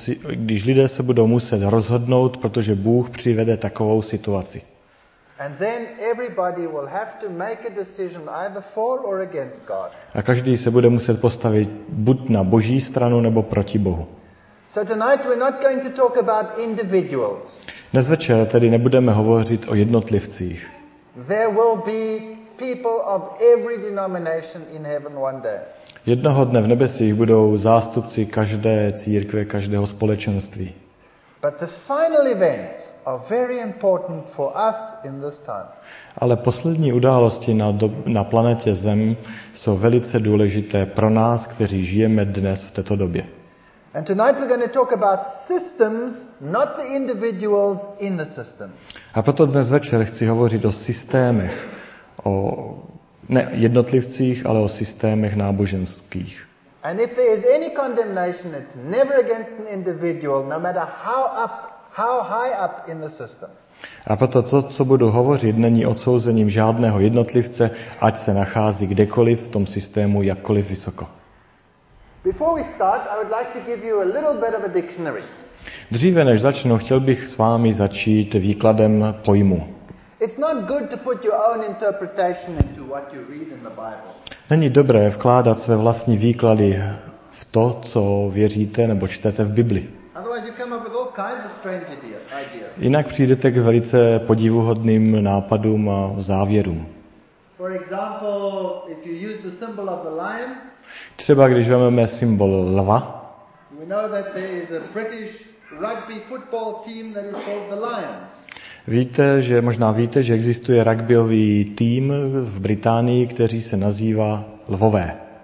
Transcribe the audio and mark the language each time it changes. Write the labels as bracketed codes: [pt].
[cs] Když lidé se budou muset rozhodnout, protože Bůh přivede takovou situaci. [en] And then everybody will have to make a decision either for or against God. [cs] A každý se bude muset postavit buď na Boží stranu nebo proti Bohu. [en] So tonight we're not going to talk about individuals. [cs] Dnes večer tedy nebudeme hovořit o jednotlivcích. [en] There will be people of every denomination in heaven one day. [cs] Jednoho dne v nebesích budou zástupci každé církve, každého společenství. [en] But the final events are very important for us in this time. [cs] Ale poslední události na planetě Zem jsou velice důležité pro nás, kteří žijeme dnes v této době. [en] And tonight we're going to talk about systems, not the individuals in the system. [cs] A proto dnes večer chci hovořit o systémech, o ne jednotlivcích, ale o systémech náboženských. [en] And if there is any condemnation, it's never against an individual, no matter how high up in the system. [cs] A proto to, co budu hovořit, není odsouzením žádného jednotlivce, ať se nachází kdekoliv v tom systému, jakkoliv vysoko. [en] Before we start, I would like to give you a little bit of a dictionary. [cs] Dříve než začnu, chtěl bych s vámi začít výkladem pojmu. [en] It's not good to put your own interpretation into what you read in the Bible. [cs] Není dobré vkládat své vlastní výklady v to, co věříte nebo čtete v Bibli. [en] Otherwise you come up with all kinds of strange ideas. [cs] Jinak přijdete k velice podivuhodným nápadům a závěrům. [en] For example, if you use the symbol of the lion, [cs] třeba když vezmeme symbol lva, [en] we know that there is a British rugby football team that is called the Lions. [cs] Víte, že možná víte, že existuje rugbyový tým v Británii, který se nazývá Lvové.